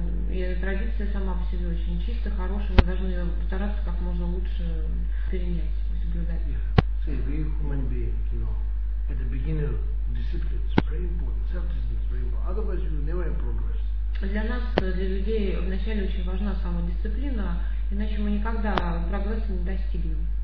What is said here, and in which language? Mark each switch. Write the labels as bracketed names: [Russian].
[Russian] И традиция сама по себе очень чистая, хорошая, мы должны ее постараться как можно лучше перенять, соблюдать. [English] Yeah. See, we human beings, you know, at the beginning, discipline is very important, self-discipline is very important, otherwise you will never have progress. [Russian] Для нас, для людей, вначале очень важна самодисциплина, иначе мы никогда прогресса не достигнем.